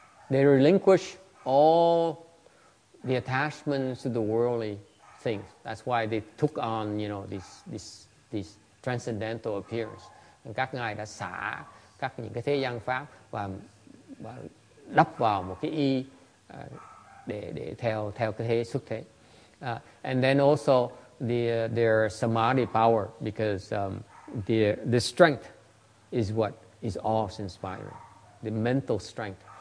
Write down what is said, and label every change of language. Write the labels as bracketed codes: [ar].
[en] They relinquish all the attachments to the worldly things. That's why they took on, you know, this transcendental appearance. [vi] Các ngài đã xả các những cái thế gian pháp và đắp vào một cái y để theo cái thế xuất thế. [en] And then also their samadhi power, because the strength is what is awe inspiring, the mental strength.